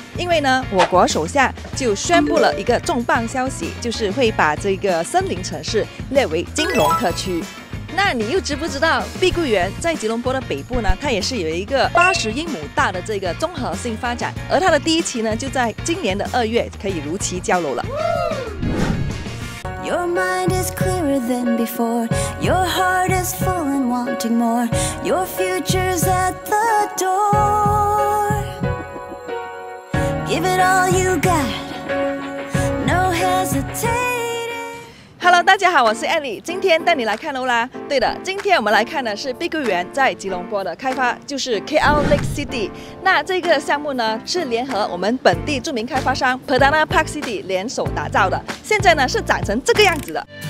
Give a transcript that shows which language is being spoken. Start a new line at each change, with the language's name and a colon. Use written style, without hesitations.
Chinese: 因为呢，我国首相就宣布了一个重磅消息，就是会把这个森林城市列为金融特区。那你又知不知道碧桂园在吉隆坡的北部呢，它也是有一个80英亩大的这个综合性发展，而它的第一期呢就在今年的2月可以如期交楼了。
English: Your mind is clearer than before, Your heart is full and wanting more, Your future's at the door, Give it all you got, No hesitation。
Chinese: Hello， 大家好，我是 Ellie， 今天带你来看楼啦。对的，今天我们来看的是碧桂园在吉隆坡的开发，就是 KL Lake City。那这个项目呢，是联合我们本地著名开发商 Perdana Park City 联手打造的，现在呢是长成这个样子的。